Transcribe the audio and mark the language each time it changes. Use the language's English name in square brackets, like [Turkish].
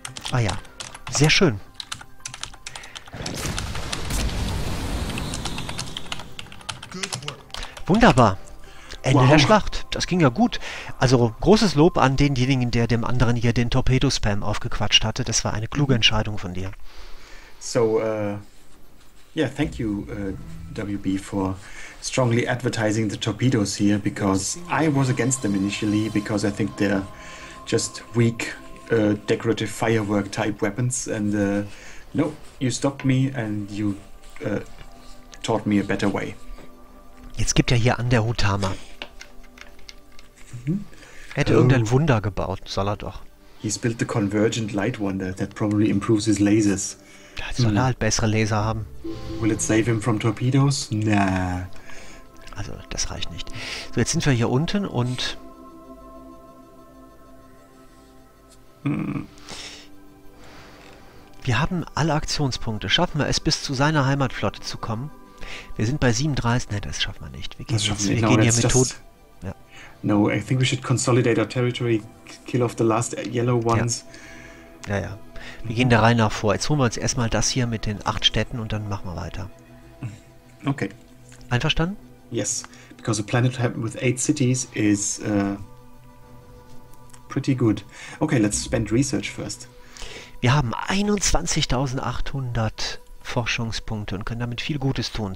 [German] Ah ja. Sehr schön. Wunderbar. Ende der Schlacht. Das ging ja gut. Also großes Lob an denjenigen, der dem anderen hier den Torpedo-Spam aufgequatscht hatte. Das war eine kluge Entscheidung von dir. [English] So, yeah, thank you, WB, for strongly advertising the torpedoes here, because I was against them initially, because I think they're just weak. Decorative firework type weapons, and no, you stopped me and you taught me a better way. [German] Jetzt gibt er hier an der Hutama. Hätte irgendein Wunder gebaut, soll er doch. [English] He's built the convergent light wonder that probably improves his lasers. [German] Das soll er halt bessere Laser haben. [English] Will it save him from torpedoes? Nah. [German] Also, das reicht nicht. So, jetzt sind wir hier unten und. Wir haben alle Aktionspunkte. Schaffen wir es, bis zu seiner Heimatflotte zu kommen? Wir sind bei 37. Ne, das schaffen wir nicht. Wir gehen, wir gehen hier mit Tod. Ja. [English] No, I think we should consolidate our territory, kill off the last yellow ones. [German] Ja. Ja, ja. Wir gehen der Reihe nach vor. Jetzt holen wir uns erstmal das hier mit den 8 Städten und dann machen wir weiter. Okay. Einverstanden? [English] Yes. Because a planet with 8 cities is. Pretty good. Okay, let's spend research first. [German] Wir haben 21.800 Forschungspunkte und können damit viel Gutes tun.